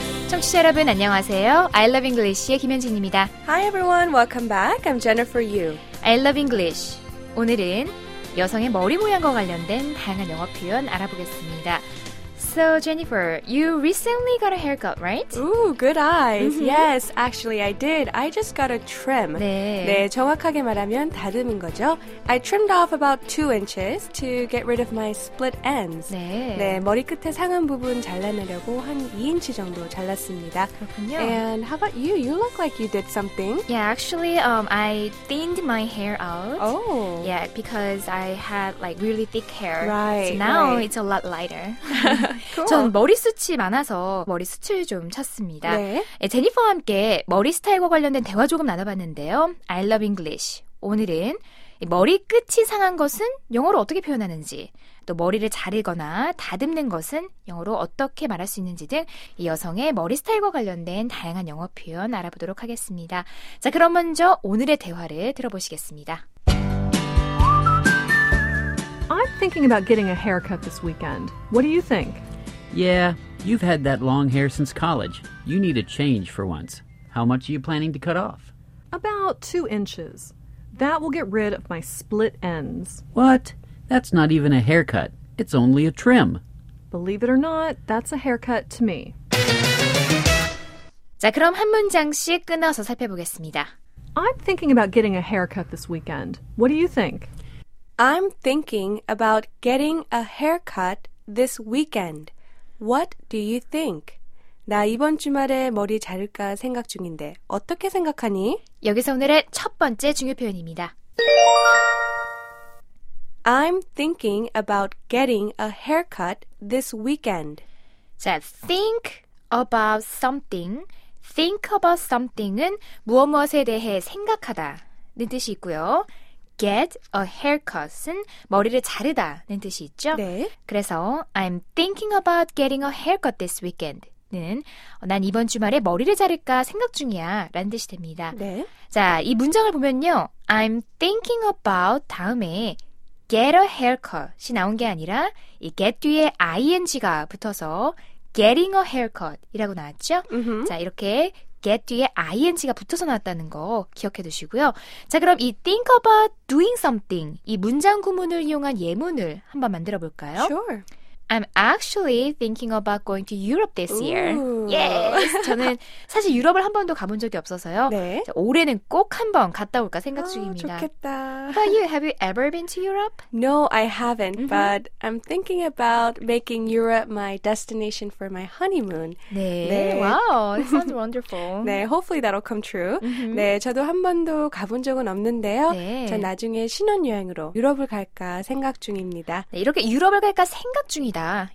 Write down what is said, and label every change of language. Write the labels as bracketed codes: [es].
[ko] Hi, 여러분 안녕하세요. I love English의 김현진입니다. [en] Hi everyone, welcome back. I'm Jennifer Yu. I love English. [ko] 오늘은 여성의 머리 모양과 관련된 다양한 영어 표현 알아보겠습니다. [en] So Jennifer, you recently got a haircut, right? Ooh, good eyes. Yes, actually I did. I just got a trim. [ko] 네. 네, 정확하게 말하면 다듬은 거죠. [en] I trimmed off about 2 inches to get rid of my split ends. [ko] 네. 네, 머리 끝에 상한 부분 잘라내려고 한 2인치 정도 잘랐습니다. 그렇군요. [en] And how about you? You look like you did something. Yeah, actually I thinned my hair out. Oh. Yeah, because I had like really thick hair. Right. So now it's a lot lighter. Cool. [ko] 전 머리숱이 많아서 머리숱을 좀 찾습니다. 네. 제니퍼와 함께 머리 스타일과 관련된 대화 조금 나눠봤는데요. [en] I love English. [ko] 오늘은 머리 끝이 상한 것은 영어로 어떻게 표현하는지, 또 머리를 자르거나 다듬는 것은 영어로 어떻게 말할 수 있는지 등 이 여성의 머리 스타일과 관련된 다양한 영어 표현 알아보도록 하겠습니다. 자, 그럼 먼저 오늘의 대화를 들어보시겠습니다. [en] I'm thinking about getting a haircut this weekend. What do you think? Yeah, you've had that long hair since college. You need a change for once. How much are you planning to cut off? About 2 inches. That will get rid of my split ends. What? That's not even a haircut. It's only a trim. Believe it or not, that's a haircut to me. [ko] 자, 그럼 한 문장씩 끊어서 살펴보겠습니다. [en] I'm thinking about getting a haircut this weekend. What do you think? I'm thinking about getting a haircut this weekend. What do you think? [ko] 나 이번 주말에 머리 자를까 생각 중인데 어떻게 생각하니? 여기서 오늘의 첫 번째 중요 표현입니다. [en] I'm thinking about getting a haircut this weekend. [ko] 자, [en] think about something. Think about something [ko] 은 무엇 무엇에 대해 생각하다는 뜻이 있고요. [en] Get a haircut [ko] 은 머리를 자르다는 뜻이 있죠? 네. 그래서 [en] I'm thinking about getting a haircut this weekend [ko] 는 난 이번 주말에 머리를 자를까 생각 중이야 라는 뜻이 됩니다. 네. 자, 이 문장을 보면요. [en] I'm thinking about [ko] 다음에 get a haircut이 나온 게 아니라 이 get 뒤에 ing가 붙어서 getting a haircut이라고 나왔죠? 음흠. 자, 이렇게 get 뒤에 ing가 붙어서 나왔다는 거 기억해 두시고요. 자, 그럼 이 [en] think about doing something, [ko] 이 문장 구문을 이용한 예문을 한번 만들어 볼까요? [en] Sure. I'm actually thinking about going to Europe this year. Ooh. Yes. [ko] 저는 사실 유럽을 한 번도 가본 적이 없어서요. 네. 자, 올해는 꼭 한번 갔다 올까 생각 중입니다. 좋겠다. [en] But you, have you ever been to Europe? No, I haven't. Mm-hmm. But I'm thinking about making Europe my destination for my honeymoon. [ko] 네. 네. [en] Wow, that sounds wonderful. [ko] 네, [en] hopefully that'll come true. Mm-hmm. [ko] 네, 저도 한 번도 가본 적은 없는데요. 네. 전 나중에 신혼여행으로 유럽을 갈까 생각 중입니다. 네, 이렇게 유럽을 갈까 생각 중이다.